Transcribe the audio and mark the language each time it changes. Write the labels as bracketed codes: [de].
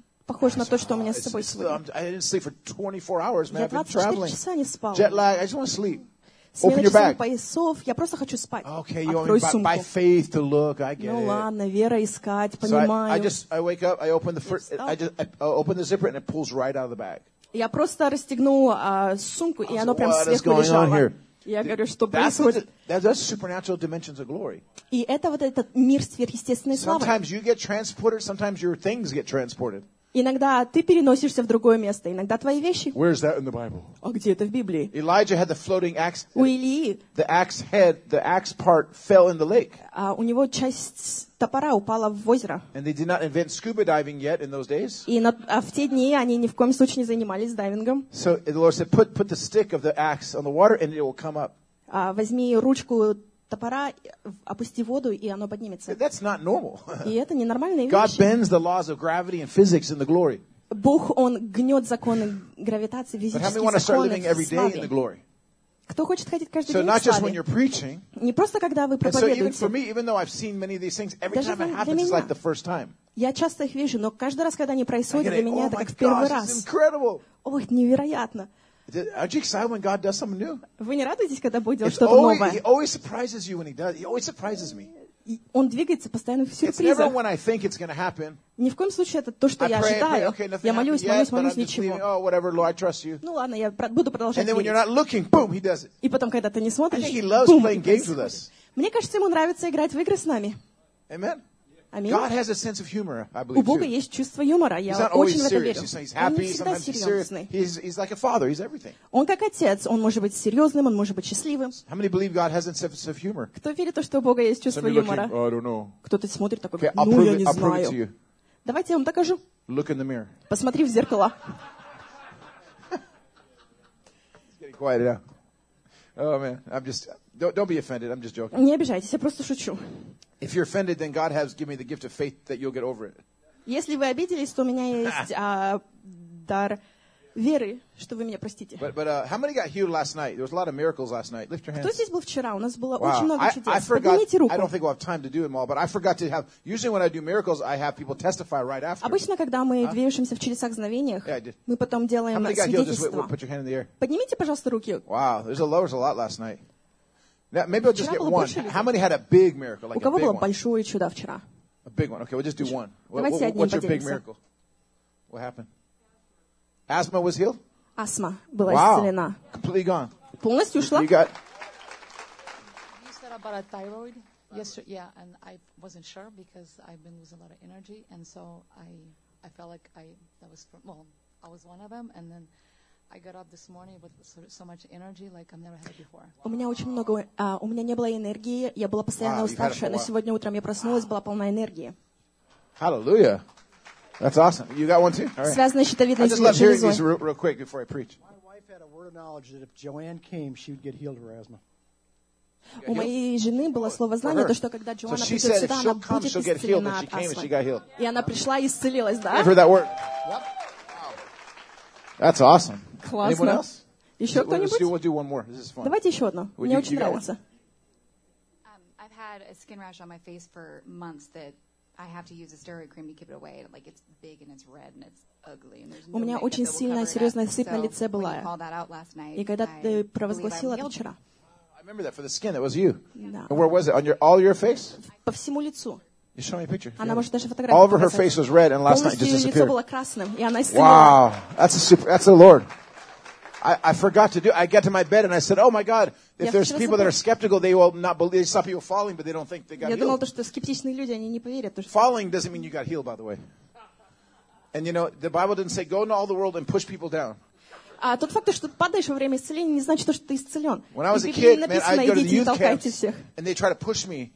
[ru] похож на то, что у меня с собой сегодня. [en] I didn't sleep for 24 hours, man. [ru] Я 24 часа не спал. [en] Jet lag. I just want to sleep. [ru] Смена часов, поясов. Я просто хочу спать. [en] Okay, you [ru] Открой сумку. [en] By faith to look, I get [ru] ну ладно, вера искать, понимаю. [en] So I wake up, I open the first, I open the zipper and it pulls right out of the bag. [ru] Я просто расстегну сумку и оно прям сверху лежало. Я говорю, что [en] that's supernatural dimensions of glory. [ru] И это вот этот мир сверхъестественной славы. [en] Sometimes you get transported, sometimes your things get transported. [ru] Иногда ты переносишься в другое место, иногда твои вещи. [en] Where is that in the Bible? [ru] А где это в Библии? [en] Elijah had the floating axe. [ru] У Илии. [en] The axe head, the axe part fell in the lake. [ru] А у него часть топора упала в озеро. [en] And they did not invent scuba diving yet in those days. [ru] И в те дни они ни в коем случае не занимались дайвингом. [en] So the Lord said, put the stick of the axe on the water and it will come up. [ru] А возьми ручку топора, опусти воду, и оно поднимется. [en] That's not normal. [ru] И это ненормальные вещи. [en] God bends the laws of gravity and physics in the glory. [ru] Бог, он гнет законы гравитации, физические законы в славе. [en] But how many want to start living every day in the glory? [ru] Кто хочет ходить каждый день в славе? [en] So not just when you're preaching. [ru] Не просто когда вы проповедуете. [en] So even for me, even though I've seen many of these things, every time it happens, it's like the first time. [ru] Я часто их вижу, но каждый раз, когда они происходят, для меня это как в первый раз. [en] It's incredible. [ru] Ох, невероятно. [en] Aren't you excited when God does something new? [ru] Вы не радуетесь, когда Бог делает что-то новое? [en] He always surprises you when He does. He always surprises me. [ru] Он двигается постоянно в сюрпризах. [en] It's never when I think it's going to happen. [ru] Ни в коем случае это то, что я ожидаю. Я молюсь, молюсь, ничего. [en] Oh, whatever, Lord, I trust you. [ru] Ну ладно, я буду продолжать. [en] And then when you're not looking, boom, He does it. [ru] И потом, когда ты не смотришь, [en] I think He loves playing games with us. [ru] Мне кажется, ему нравится играть в игры с нами. [en] Amen. [ru] Аминь. [en] God has a sense of humor, I believe. [ru] У Бога есть чувство юмора. Я очень в это верю. [en] He's happy, [ru] он не всегда серьезный. [en] He's like a father. He's everything. [ru] Он как отец. Он может быть серьезным, он может быть счастливым. [en] How many believe God has a sense of humor? [ru] Кто верит, что у Бога есть чувство юмора? [en] Looking, oh, I don't know. [ru] Кто-то смотрит такой, [en] okay, [ru] ну я не знаю. Давайте я вам докажу. [en] Look in the mirror. [ru] Посмотри в зеркало. [en] It's getting quiet now. Oh man, I'm just don't be offended. I'm just joking. [ru] Не обижайтесь, я просто шучу. [en] If you're offended, then God has given me the gift of faith that you'll get over it. [ru] Если вы обиделись, то у меня есть дар веры, что вы меня простите. [en] But how many got healed last night? There was a lot of miracles last night. Lift your hands. [ru] Кто здесь был вчера? У нас было очень много чудес. Поднимите руку. [en] I don't think we'll have time to do them all, but I forgot to have. Usually when I do miracles, I have people testify right after. [ru] Обычно когда мы движемся в чудесах, знамениях, мы потом делаем свидетельство. [en] Put your hand in the air. [ru] Поднимите, пожалуйста, руки. [en] Wow, there's a lot last night. Now, maybe I'll just get one. How many had a big miracle? Like [ru] у кого [en] a big [ru] было [en] one? [ru] Большое чудо вчера? [en] A big one. Okay, we'll just do one. [ru] Давайте [en] what's [ru] поделимся. [en] Your big miracle? What happened? Asthma was healed? [ru] Астма была [en] wow. [ru] исцелена. [en] Completely gone. [ru] Полностью ушла. [en] You said about a thyroid yesterday. Yeah, and I wasn't sure because I've been losing a lot of energy. And so I felt like I was one of them. And then I got up this morning with so much energy like I've never had it before. [ru] У меня очень много, у меня не было энергии, я была постоянно уставшая, но сегодня утром я проснулась, была полна энергии. [en] Hallelujah. That's awesome. You got one too? All right. [ru] Связанная щитовидной железой. [en] I just love hearing these real quick before I preach. My wife had a word of knowledge that if Joanne came, she would get healed of her asthma. [ru] У моей жены было слово знания, то, что когда Джоанна придет сюда, она будет исцелена от астмы. И она пришла и исцелилась, да? [en] I've heard that word. That's awesome. [ru] Классно. [en] Anyone else? [ru] Еще кто-нибудь? [en] We'll do one more. This is fun. [ru] Давайте еще одно. Would мне you, очень you нравится. [en] I've had a skin rash on my face for months that I have to use a steroid cream to keep it away. Like it's big and it's red and it's ugly. And [ru] у меня очень сильная, серьезная сыпь на лице была. [en] So, when you called that out last night, [ru] и когда ты провозгласила это вчера. [en] I remember that for the skin. That was you. Yeah. And where was it? On all your face? [ru] По всему лицу. [en] You show me a picture. [ru] Она может даже фотографию. [en] All over her face was red, and last night just disappeared. [ru] Лицо было красным, и она исцелилась. [en] Wow, that's the Lord. I forgot to do. I got to my bed and I said, "Oh my God, if there's people that are skeptical, they will not believe. Some people falling, but they don't think they got healed." [ru] Я думал то, что скептичные люди, они не поверят. [en] Falling doesn't mean you got healed, by the way. And you know, the Bible didn't say go into all the world and push people down. [ru] А тот факт, что ты падаешь во время исцеления, не значит, что ты исцелен. [en] When I was a kid, man, I'd go to the youth camps, and they try to push me.